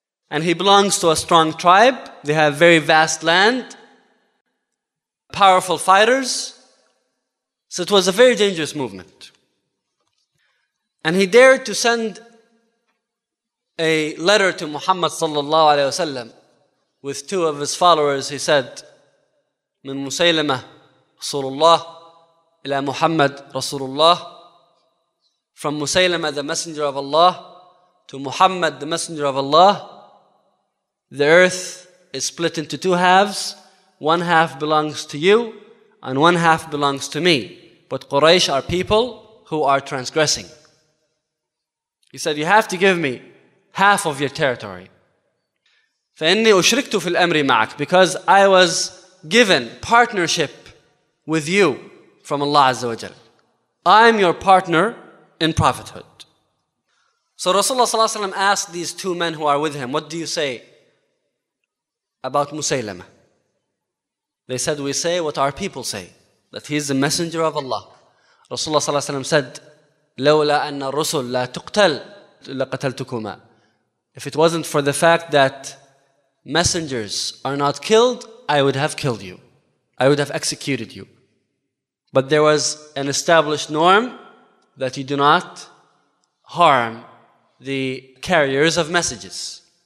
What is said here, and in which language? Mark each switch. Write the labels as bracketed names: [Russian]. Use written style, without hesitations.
[English] And he belongs to a strong tribe. They have very vast land, powerful fighters. So it was a very dangerous movement. And he dared to send a letter to Muhammad sallallahu alaihi wasallam with two of his followers. He said, [Arabic] من مسيلمة رسول الله إلى محمد رسول الله. [English] From مسيلمة, the messenger of Allah, to Muhammad, the messenger of Allah, the earth is split into two halves. One half belongs to you and one half belongs to me. But Quraysh are people who are transgressing. He said, you have to give me half of your territory. [Arabic] فإني أشركت في الأمر معك, [English] because I was given partnership with you from Allah Azza wa Jal. I'm your partner in prophethood. So Rasulullah Sallallahu Alaihi Wasallam asked these two men who are with him, what do you say about Musaylama? They said, we say what our people say, that he's the messenger of Allah. Rasulullah Sallallahu Alaihi Wasallam said, [Arabic] لَوْلَا أَنَّ الرُّسُلْ لَا تُقْتَلْ لَقَتَلْتُكُمَا. [English] If it wasn't for the fact that messengers are not killed, I would have killed you. I would have executed you. But there was an established norm that you do not harm the carriers of messages.